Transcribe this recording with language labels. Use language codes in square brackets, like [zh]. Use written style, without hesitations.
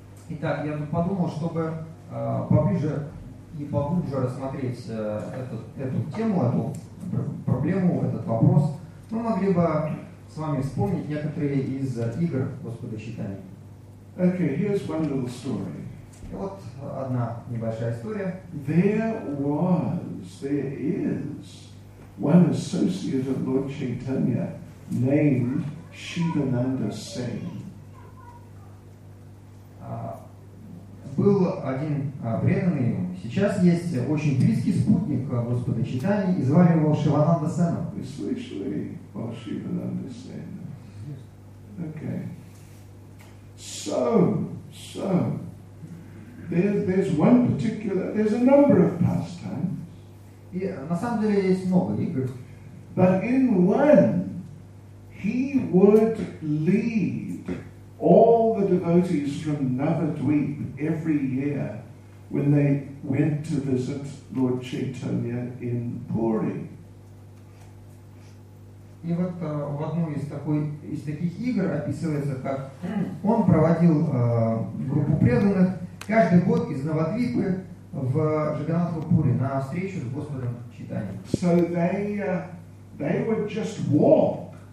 [ru] Итак, я подумал, чтобы поближе и поглубже рассмотреть эту тему, эту проблему, этот вопрос, мы могли бы с вами вспомнить некоторые из игр Господа Чайтаньи. [en] Okay, here's one little story. [ru] И вот одна небольшая история. [en] There is one associate of Lord Chaitanya named Shivananda Sen. [ru] Был один преданный ему. Сейчас есть очень близкий спутник Господа Чайтаньи, и звали его Шивананда Сена. Вы слышали о Шивананда Сене? [en] Okay. So, there's a number of pastimes. [ru] И на самом деле есть много игр. [en] But in one, he would lead all the devotees from Navadweep every year when they went to visit Lord Chaitanya in Puri. [ru] И вот в одной из, такой, из таких игр описывается, как он проводил группу преданных каждый год из Навадвипы в Джаганнатхапури на встречу с Господом Чайтаньей. [en] So they would just walk.